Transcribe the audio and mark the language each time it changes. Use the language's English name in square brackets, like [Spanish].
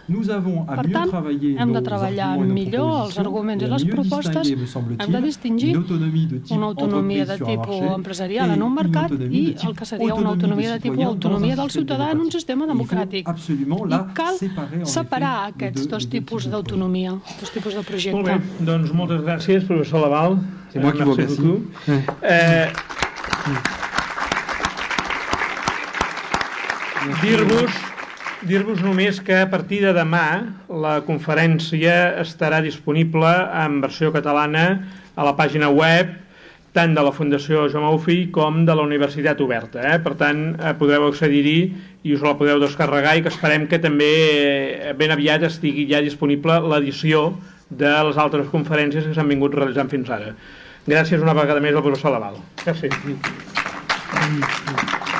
[Catalan] Per tant, hem de treballar millor els arguments i les propostes, hem de distingir una autonomia de tipus empresarial en un mercat i el que seria una autonomia de tipus autonomia del ciutadà en un sistema democràtic. I cal separar aquests dos tipus d'autonomia, dos tipus de projecte. Molt bé, doncs moltes gràcies, professor Laval. [French] C'est moi qui vous remercie. [Catalan] Dir-vos només que a partir de demà la conferència estarà disponible en versió catalana a la pàgina web tant de la Fundació Jaume Bofill com de la Universitat Oberta. Per tant, podreu accedir-hi i us la podeu descarregar, i que esperem que també ben aviat estigui ja disponible l'edició de les altres conferències que s'han vingut realitzant fins ara. Gràcies una vegada més al professor Laval. Gràcies.